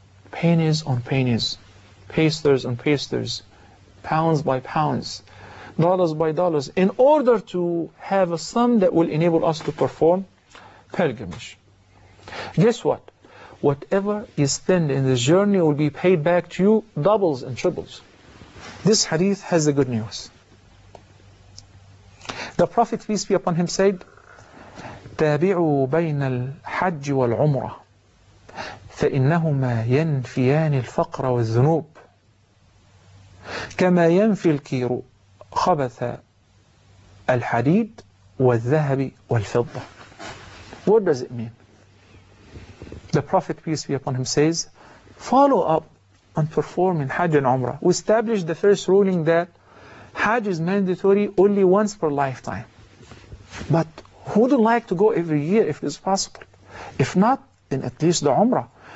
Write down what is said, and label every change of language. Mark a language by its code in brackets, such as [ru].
[en] Pennies on pennies, pesters on pesters, pounds by pounds, dollars by dollars, in order to have a sum that will enable us to perform pilgrimage. Guess what? Whatever you spend in this journey will be paid back to you doubles and triples. This hadith has the good news. [ar] The Prophet, peace be upon him, said, تَابِعُوا بَيْنَ الْحَجِّ وَالْعُمْرَةِ فَإِنَّهُمَا يَنْفِيَانِ الْفَقْرَ وَالذُّنُوبِ كما ينفي الكير خبث الحديد والذهب والفضة. [en] What does it mean? The Prophet, peace be upon him, says, follow up on performing Hajj and Umrah. We established the first ruling that Hajj is mandatory only once per lifetime. But who would like to go every year if it's possible? If not, then at least the Umrah.